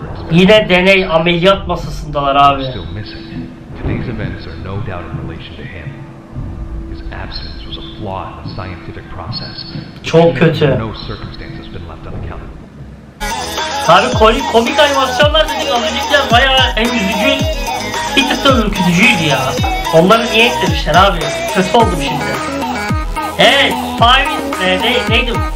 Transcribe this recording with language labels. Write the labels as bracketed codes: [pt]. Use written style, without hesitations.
[tr] Yine deney ameliyat masasındalar abi. [en] Still missing. Today's events are no doubt in relation to him. His absence was a flaw in the scientific process. [tr] Çok kötü. [en] No circumstance has been left unaccounted. [tr] Abi komik animasyonlar dedik az önceki, bayağı en üzücü bir tık da ürkütücüydü ya. Onları niye eklemişler abi? Kötü oldum şimdi. Evet, neydi?